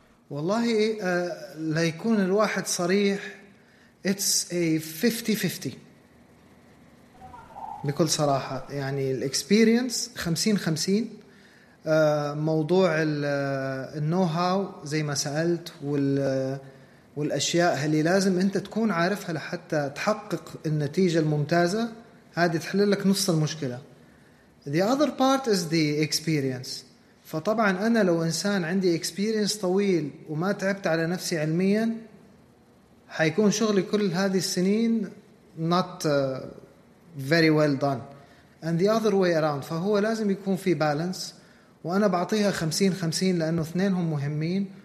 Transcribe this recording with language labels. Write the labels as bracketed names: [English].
[Arabic] والله لا يكون الواحد صريح، [English] it's a 50-50 [Arabic] بكل صراحة، يعني الاكسبيرينس 50-50. موضوع النوهاو زي ما سألت، والأشياء اللي لازم أنت تكون عارفها لحتى تحقق النتيجة الممتازة، هذه تحل لك نص المشكلة. [English] The other part is the experience. [Arabic] فطبعا أنا لو إنسان عندي experience طويل وما تعبت على نفسي علميا، حيكون شغلي كل هذه السنين [English] not very well done. And the other way around. [Arabic] فهو لازم يكون في balance، وأنا بعطيها 50-50 لأنه اثنينهم مهمين.